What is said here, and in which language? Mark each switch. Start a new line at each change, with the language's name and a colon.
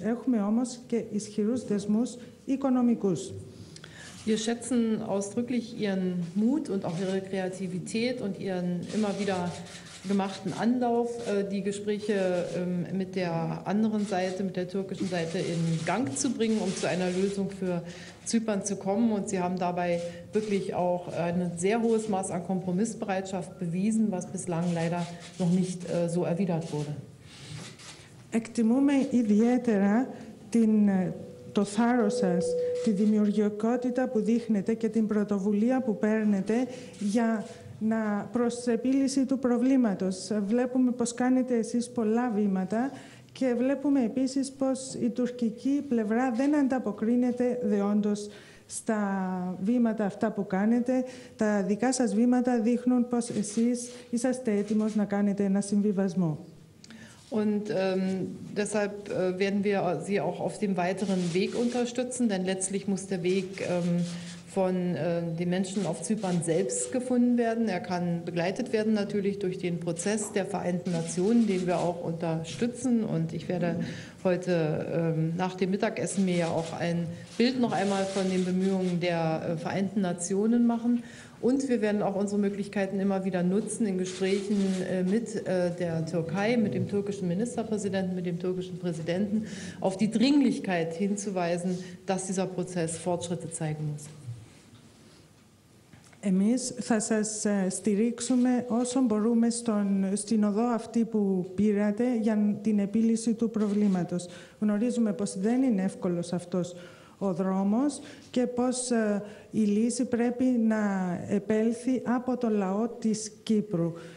Greek: Έχουμε όμως και ισχυρούς δεσμούς οικονομικούς.
German: Wir schätzen ausdrücklich Ihren Mut und auch Ihre Kreativität und Ihren immer wieder gemachten Anlauf, die Gespräche mit der anderen Seite, mit der türkischen Seite in Gang zu bringen, um zu einer Lösung für Zypern zu kommen. Und Sie haben dabei wirklich auch ein sehr hohes Maß an Kompromissbereitschaft bewiesen, was bislang leider noch nicht so erwidert wurde.
Greek: Εκτιμούμε ιδιαίτερα το θάρρος σας, τη δημιουργικότητα που δείχνετε και την πρωτοβουλία που παίρνετε για να προς επίλυση του προβλήματος. Βλέπουμε πως κάνετε εσείς πολλά βήματα και βλέπουμε επίσης πως η τουρκική πλευρά δεν ανταποκρίνεται δεόντως στα βήματα αυτά που κάνετε. Τα δικά σας βήματα δείχνουν πως εσείς είσαστε έτοιμος να κάνετε ένα συμβιβασμό.
German: Und deshalb werden wir Sie auch auf dem weiteren Weg unterstützen, denn letztlich muss der Weg von den Menschen auf Zypern selbst gefunden werden. Er kann begleitet werden natürlich durch den Prozess der Vereinten Nationen, den wir auch unterstützen. Und ich werde heute nach dem Mittagessen mir ja auch ein Bild noch einmal von den Bemühungen der Vereinten Nationen machen. Und wir werden auch unsere Möglichkeiten immer wieder nutzen in Gesprächen mit der Türkei, mit dem türkischen Ministerpräsidenten, mit dem türkischen Präsidenten, auf die Dringlichkeit hinzuweisen, dass dieser Prozess Fortschritte zeigen muss.
Greek: Εμείς θα σας στηρίξουμε όσο μπορούμε στην οδό αυτή που πήρατε για την επίλυση του προβλήματος. Γνωρίζουμε πως δεν είναι εύκολος αυτός ο δρόμος και πως η λύση πρέπει να επέλθει από το λαό της Κύπρου.